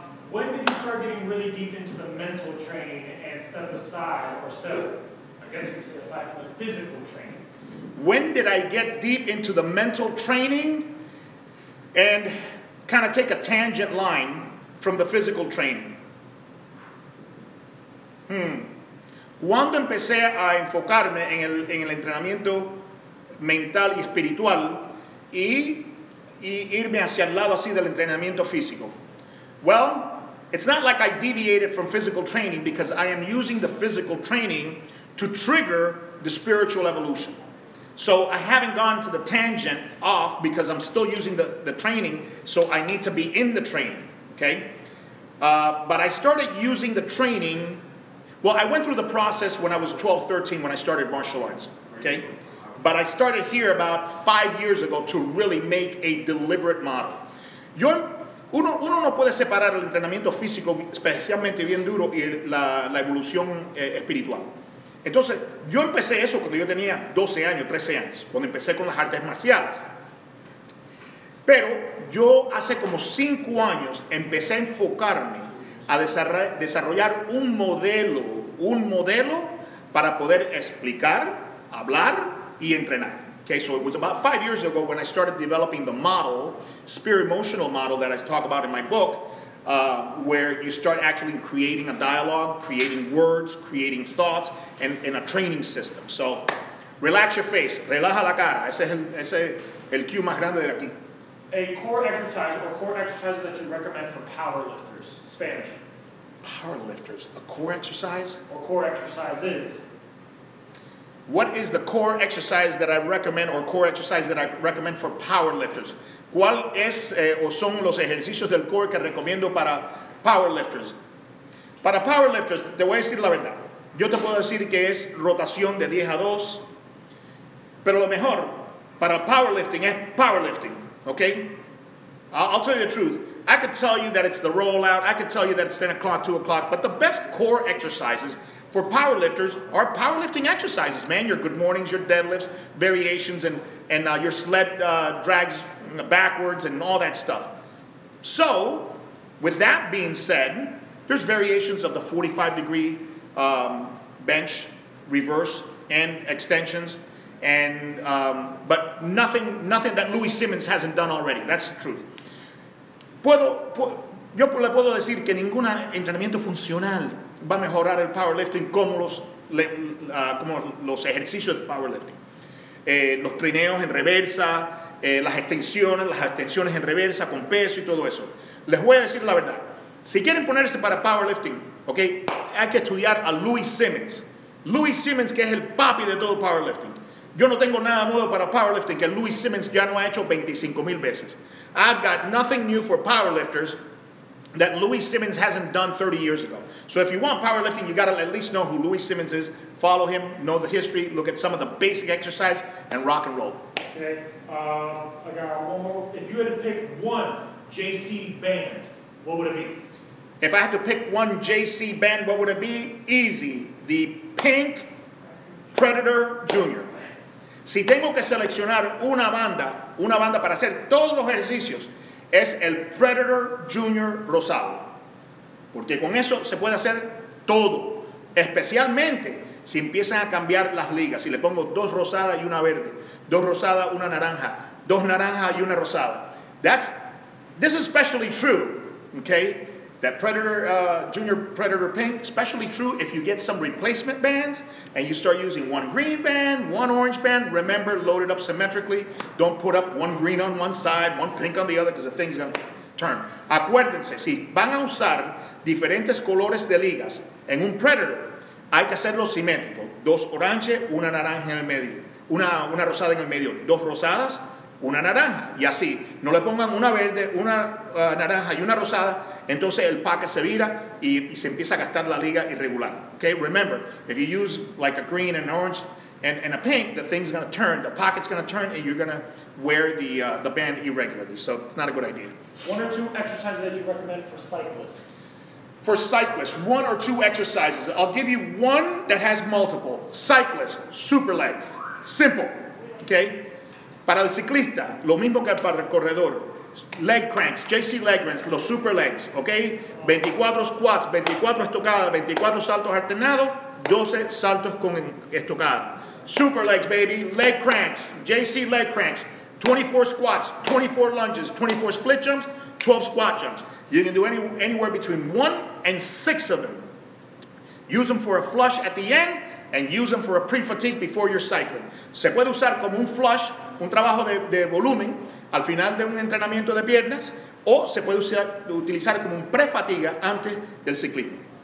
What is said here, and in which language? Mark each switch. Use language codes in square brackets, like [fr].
[en] When did you start getting really deep into the mental training and step aside, or step, I guess you could say, aside from the physical training? When did I get deep into the mental training and kind of take a tangent line from the physical training? [es] Cuando empecé a enfocarme en el entrenamiento mental y espiritual y irme hacia el lado así del entrenamiento físico. [en] Well, it's not like I deviated from physical training because I am using the physical training to trigger the spiritual evolution. So I haven't gone to the tangent off because I'm still using the training, so I need to be in the training, okay? But I started using the training. Well, I went through the process when I was 12, 13 when I started martial arts, okay? But I started here about 5 years ago to really make a deliberate model. [es] Uno no puede separar el entrenamiento físico, especialmente bien duro, y la evolución espiritual. Entonces, yo empecé eso cuando yo tenía 12 años, 13 años, cuando empecé con las artes marciales. Pero yo hace como 5 años empecé a enfocarme a desarrollar un modelo para poder explicar, hablar y entrenar. [en] Okay, so it was about 5 years ago when I started developing the model, spirit-emotional model that I talk about in my book, where you start actually creating a dialogue, creating words, creating thoughts, and in a training system. So relax your face. [es] Relaja la cara. Ese es el cue más grande de aquí. [en] A core exercise or core exercises that you recommend for power lifters, Spanish. Power lifters, a core exercise? Or core exercises. What is the core exercise that I recommend or core exercise that I recommend for power lifters? [es] ¿Cuál es o son los ejercicios del core que recomiendo para power lifters? Para power lifters, te voy a decir la verdad. Yo te puedo decir que es rotación de 10 a 2. Pero lo mejor para powerlifting es powerlifting, okay? [en] I'll tell you the truth. I could tell you that it's the rollout. I could tell you that it's 10 o'clock, 2 o'clock. But the best core exercises for powerlifters are powerlifting exercises, man. Your good mornings, your deadlifts, variations, and your sled drags backwards and all that stuff. So, with that being said, there's variations of the 45-degree bench, reverse, and extensions. But nothing that Louis Simmons hasn't done already. That's the truth. [es] Yo le puedo decir que ningún entrenamiento funcional va a mejorar el powerlifting como los ejercicios de powerlifting. Los trineos en reversa, las extensiones en reversa con peso y todo eso. Les voy a decir la verdad. Si quieren ponerse para powerlifting, okay, hay que estudiar a Louis Simmons. Louis Simmons, que es el papi de todo powerlifting. Yo no tengo nada nuevo para powerlifting que Louis Simmons ya no ha hecho 25,000 veces. [en] I've got nothing new for powerlifters that Louis Simmons hasn't done 30 years ago. So if you want powerlifting, you got to at least know who Louis Simmons is. Follow him, know the history, look at some of the basic exercise, and rock and roll. Okay, I got one more. If you had to pick one JC band, what would it be? If I had to pick one JC band, what would it be? Easy. The Pink Predator Jr. [es] Si tengo que seleccionar una banda para hacer todos los ejercicios, es el Predator Junior Rosado. Porque con eso se puede hacer todo. Especialmente si empiezan a cambiar las ligas. Si le pongo dos rosadas y una verde. Dos rosadas, una naranja. Dos naranjas y una rosada. [en] This is especially true, okay? That Predator Junior Predator Pink, especially true if you get some replacement bands and you start using one green band, one orange band. Remember, load it up symmetrically. Don't put up one green on one side, one pink on the other, because the thing's going to turn. [es] Acuérdense, si van a usar diferentes colores de ligas en un Predator, hay que hacerlo simétrico. Dos oranges, una naranja en el medio. Una rosada en el medio. Dos rosadas, una naranja. Y así, no le pongan una verde, una naranja y una rosada. Entonces el parque se vira y, y se empieza a gastar la liga irregular. [en] Okay, remember, if you use like a green and orange and a pink, the thing's going to turn, the pocket's going to turn, and you're going to wear the band irregularly. So it's not a good idea. One or two exercises that you recommend for cyclists? For cyclists, one or two exercises. I'll give you one that has multiple. Cyclists, super legs. Simple. Okay? [es] Para el ciclista, lo mismo que para el corredor. Leg cranks, JC leg cranks, los super legs, okay? 24 squats, 24 estocadas, 24 saltos alternados, 12 saltos con estocada. [en] Super legs, baby, leg cranks, JC leg cranks, 24 squats, 24 lunges, 24 split jumps, 12 squat jumps. You can do anywhere between one and six of them. Use them for a flush at the end and use them for a pre-fatigue before your cycling. [es] Se puede usar como un flush, un trabajo de volumen, al final de un entrenamiento de piernas, o se puede utilizar como un pre-fatiga antes del ciclismo.